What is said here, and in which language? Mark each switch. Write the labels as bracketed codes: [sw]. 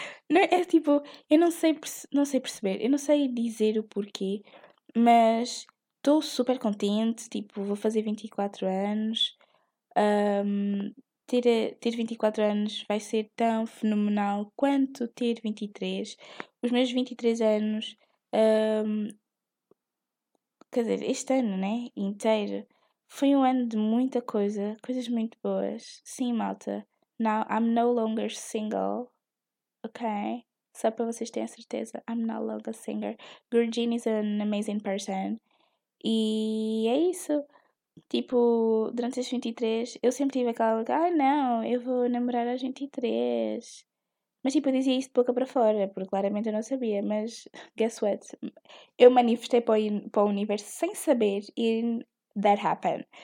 [pt] Não, é tipo, eu não sei perceber, eu não sei dizer o porquê, mas estou super contente, tipo, vou fazer 24 anos, ter 24 anos vai ser tão fenomenal quanto ter 23. Os meus 23 anos, quer dizer, este ano, né, inteiro, foi um ano de muita coisa, coisas muito boas. Sim, malta, [en] now I'm no longer single, ok? [pt] Só para vocês terem a certeza, [en] I'm no longer single. Gurgin is an amazing person. [pt] E é isso. Tipo, durante os 23, eu sempre tive aquela, ah não, eu vou namorar aos 23. Mas tipo, eu dizia isso de boca para fora, porque claramente eu não sabia, mas [en] guess what? [pt] Eu manifestei para o universo sem saber e [en] that happened.